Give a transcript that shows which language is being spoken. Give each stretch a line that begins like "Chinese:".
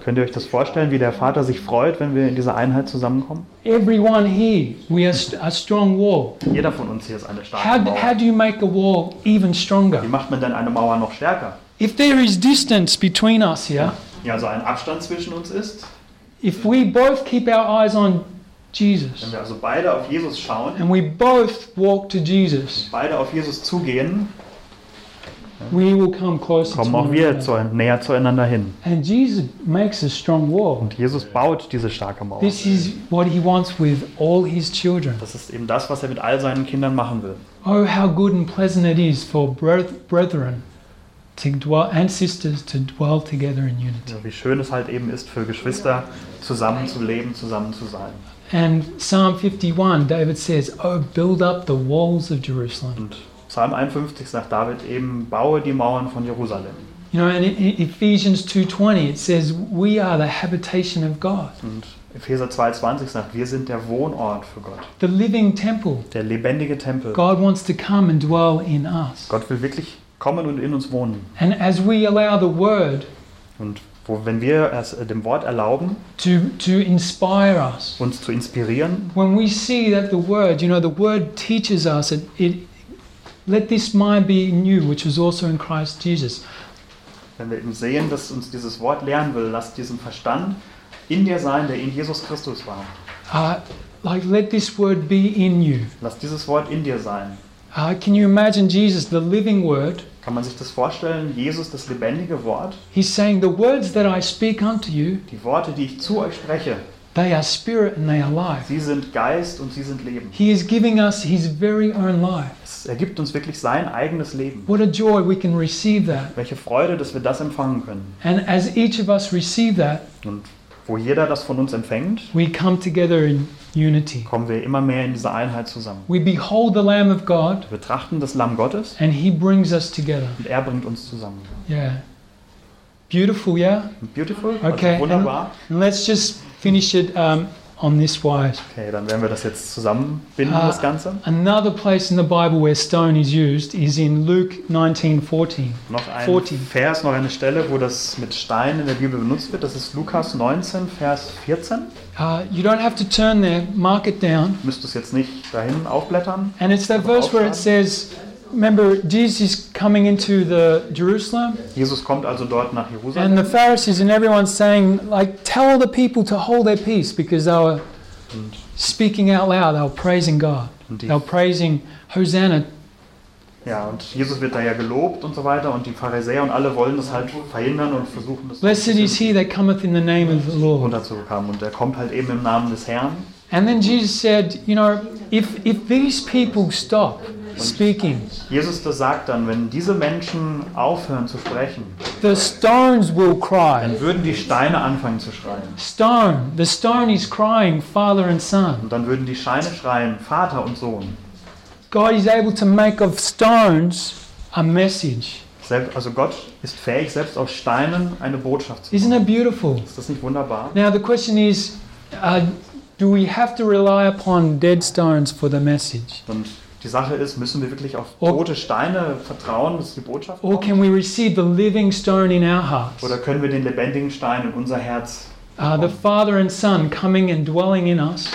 German: Könnt ihr euch das vorstellen, wie der Vater sich freut, wenn wir in dieser Einheit zusammenkommen?
English: Everyone here, we are a strong wall.
German: Jeder von uns hier ist eine starke Mauer.
English: How do you make a wall even stronger?
German: Wie macht man denn eine Mauer noch stärker?
English: If there is distance between us here,
German: ja, also ein Abstand zwischen uns ist,
English: if we both keep our eyes on Jesus,
German: wenn wir also beide auf Jesus schauen,
English: and we both walk to Jesus,
German: beide auf Jesus zugehen,
English: we will come closer,
German: kommen auch wir näher zueinander hin.
English: And Jesus makes a strong wall.
German: Und Jesus baut diese starke Mauer.
English: This is what he wants with all his children.
German: Das ist eben das, was er mit all seinen Kindern machen will.
English: Oh, how good and pleasant it is for brethren to dwell and sisters to dwell together in unity.
German: Ja, wie schön es halt eben ist für Geschwister zusammen zu leben, zusammen zu sein.
English: And Psalm 51, David says, "Oh, build up the walls of Jerusalem."
German: Und Psalm 51 sagt David eben, baue die Mauern von Jerusalem.
English: You know, in Ephesians 2:20 it says, "We are the habitation of God."
German: Und Epheser 2:20 sagt, wir sind der Wohnort für Gott.
English: The living temple.
German: Der lebendige Tempel.
English: God wants to come and dwell in us.
German: Gott will wirklich kommen und in uns wohnen.
English: And as we allow the word,
German: und wo, wenn wir es dem Wort erlauben,
English: to inspire us,
German: uns zu inspirieren,
English: when we see that the word, you know, the word teaches us, it let this mind be in you, which was also in Christ Jesus.
German: Wenn wir eben sehen, dass uns dieses Wort lehren will, lass diesen Verstand in dir sein, der in Jesus Christus war.
English: Like let this word be in you.
German: Lass dieses Wort in dir sein.
English: Can you imagine Jesus, the living word?
German: Kann man sich das vorstellen, Jesus, das lebendige Wort?
English: He's saying the words that I speak unto you.
German: Die Worte, die ich zu euch spreche.
English: They are spirit and they are life.
German: Sie sind Geist und sie sind Leben.
English: He is giving us his very own life.
German: Er gibt uns wirklich sein eigenes Leben.
English: What a joy we can receive that.
German: Welche Freude, dass wir das empfangen können.
English: And as each of us receive that,
German: und wo jeder das von uns empfängt,
English: we come together in unity.
German: Kommen wir immer mehr in diese Einheit zusammen.
English: We behold the Lamb of God.
German: Wir betrachten das Lamm Gottes.
English: And he brings us together.
German: Und er bringt uns zusammen.
English: Yeah. Beautiful, yeah? Beautiful. Okay.
German: Also wunderbar.
English: And let's just finish it on this wise.
German: Okay, dann werden wir das jetzt zusammenbinden, das Ganze.
English: Another place in the Bible where stone is used is in Luke 19:14.
German: Noch ein 14. Vers, noch eine Stelle, wo das mit Stein in der Bibel benutzt wird. Das ist Lukas 19, Vers 14.
English: You don't have to turn there. Mark it down.
German: Müsst es jetzt nicht dahin aufblättern.
English: And it's that verse where it says, remember, Jesus is coming into the Jerusalem.
German: Jesus kommt also dort nach Jerusalem.
English: And the Pharisees and everyone saying, like, tell the people to hold their peace, because they were speaking out loud, they were praising God, they were praising Hosanna.
German: Ja, und Jesus wird da ja gelobt und so weiter, und die Pharisäer und alle wollen das halt verhindern und versuchen das.
English: Blessed is he that cometh in the name of the Lord.
German: Und dazu kam, und er kommt halt eben im Namen des Herrn.
English: And then Jesus said, you know, if these people stop. Speaking.
German: Jesus da sagt dann, wenn diese Menschen aufhören zu sprechen,
English: the stones will cry.
German: Dann würden die Steine anfangen zu schreien.
English: Stone, the stone is crying, Father and Son.
German: Und dann würden die Steine schreien, Vater und Sohn.
English: God is able to make of stones a message.
German: Also Gott ist fähig, selbst aus Steinen eine Botschaft zu machen.
English: Isn't it beautiful?
German: Ist das nicht wunderbar?
English: Now the question is, do we have to rely upon dead stones for the message?
German: Und die Sache ist, müssen wir wirklich auf tote Steine vertrauen, dass die Botschaft kommt?
English: Or can we receive the living stone in our hearts?
German: Oder können wir den lebendigen Stein in unser Herz bekommen?
English: The Father and Son coming and dwelling in us.